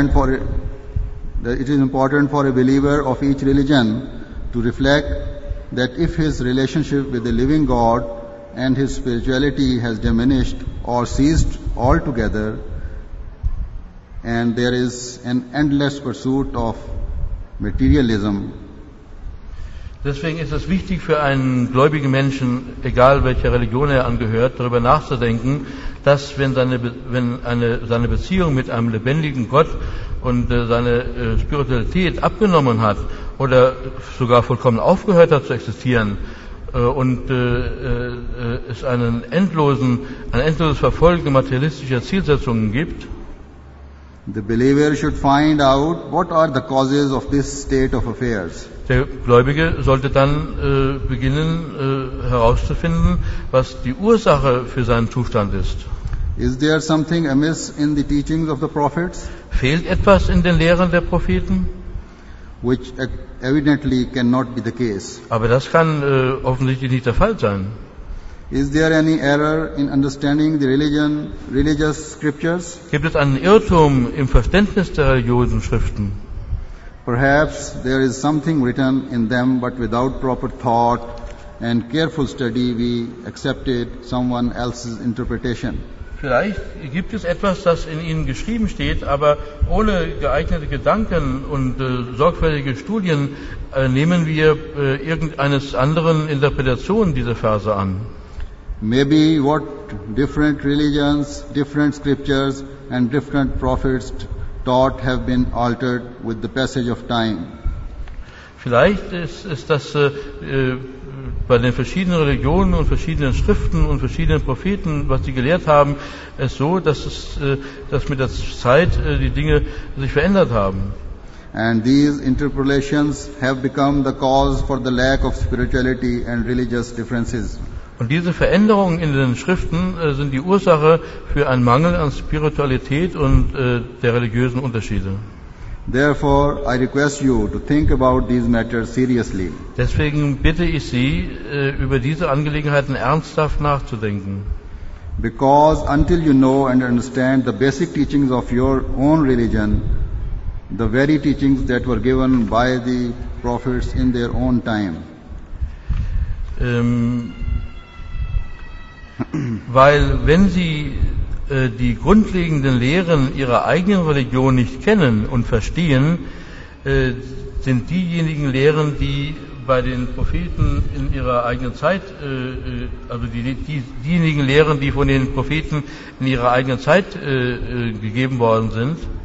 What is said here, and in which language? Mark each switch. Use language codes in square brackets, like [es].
[en] That it is important for a believer of each religion to reflect that if his relationship with the living God and his spirituality has diminished or ceased altogether, and there is an endless pursuit of materialism. [de] Deswegen ist es wichtig für einen gläubigen Menschen, egal welcher Religion er angehört, darüber nachzudenken, dass wenn seine Beziehung mit einem lebendigen Gott und seine Spiritualität abgenommen hat oder sogar vollkommen aufgehört hat zu existieren und es ein endloses Verfolgen materialistischer Zielsetzungen gibt, [en] the believer should find out what are the causes of this state of affairs. [de] Der Gläubige sollte dann beginnen herauszufinden, was die Ursache für seinen Zustand ist. [en] Is there something amiss in the teachings of the prophets? [de] Fehlt etwas in den Lehren der Propheten? [en] Which evidently cannot be the case. [de] Aber das kann offensichtlich nicht der Fall sein. [en] Is there any error in understanding the religious scriptures? [de] Gibt es einen Irrtum im Verständnis der religiösen Schriften? [en] Perhaps there is something written in them, but without proper thought and careful study, we accepted someone else's interpretation. [de] Vielleicht gibt es etwas, das in ihnen geschrieben steht, aber ohne geeignete Gedanken und sorgfältige Studien nehmen wir irgendeines anderen Interpretation dieser Verse an. [en] Maybe what different religions, different scriptures and different prophets taught have been altered with the passage of time. [de] Vielleicht ist das bei den verschiedenen Religionen und verschiedenen Schriften und verschiedenen Propheten, was sie gelehrt haben, ist so, dass mit der Zeit die Dinge sich verändert haben. [en] And these interpolations have become the cause for the lack of spirituality and religious differences. [de] Und diese Veränderungen in den Schriften sind die Ursache für einen Mangel an Spiritualität und der religiösen Unterschiede. [en] Therefore, I request you to think about these matters seriously. [de] Deswegen bitte ich Sie, über diese Angelegenheiten ernsthaft nachzudenken. [en] Because until you know and understand the basic teachings of your own religion, the very teachings that were given by the prophets in their own time. [de] Weil wenn Sie die grundlegenden Lehren Ihrer eigenen Religion nicht kennen und verstehen, sind diejenigen Lehren, die bei den Propheten in ihrer eigenen Zeit, also diejenigen Lehren, die von den Propheten in ihrer eigenen Zeit gegeben worden sind,